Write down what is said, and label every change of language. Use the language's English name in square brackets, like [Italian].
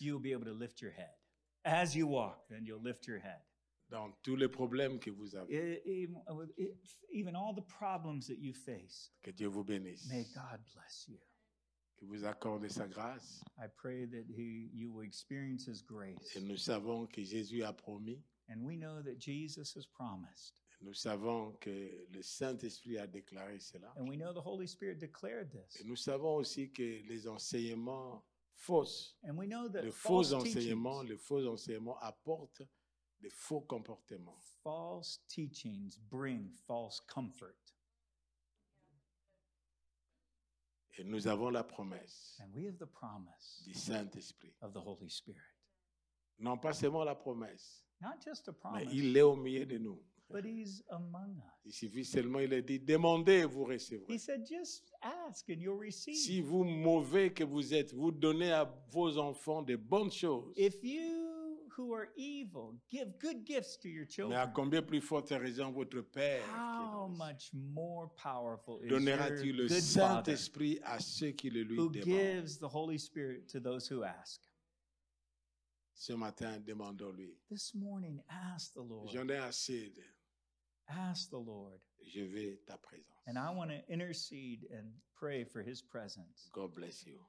[English] You'll be able to lift your head. As you walk, then you'll lift your head. [French] Dans tous les problèmes que vous avez. [English] Even all the problems that you face. [French] Que Dieu vous bénisse. [English] May God bless you. [French] Que vous accorde sa grâce. [English] I pray that you will experience his grace. [French] Et nous savons que Jésus a promis. [English] And we know that Jesus has promised. [French] Nous savons que le Saint-Esprit a déclaré cela. [English] And we know the Holy Spirit declared this. [French] Et nous savons aussi que les enseignements faux, [English] and we know that [French] les faux enseignements, les faux enseignements apportent des faux comportements. [English] False teachings bring false comfort. [French] Et nous avons la promesse. [English] And we have the promise [French] du Saint-Esprit. [English] Of the Holy Spirit. [French] Non pas seulement la promesse. [English] Not just a promise. [French] Mais il est au milieu de nous. [English] But he's among us. [French] Il suffit seulement, il a dit, demandez, vous recevrez. [English] He said, just ask and you'll receive. [French] Si vous mauvais que vous êtes, vous donnez à vos enfants des bonnes choses. [English] If you who are evil give good gifts to your children. [French] Mais à combien plus forte raison votre Père. [English] How much more powerful is your [French] donnera-t-il le Saint-Esprit à ceux qui le lui demandent. [English] Who gives the Holy Spirit to those who ask. [French] Ce matin, demandons-lui. [English] This morning, ask the Lord. [French] J'en ai assez. [English] Ask the Lord. [French] Je veux ta présence. [English] And I want to intercede and pray for his presence. God bless you.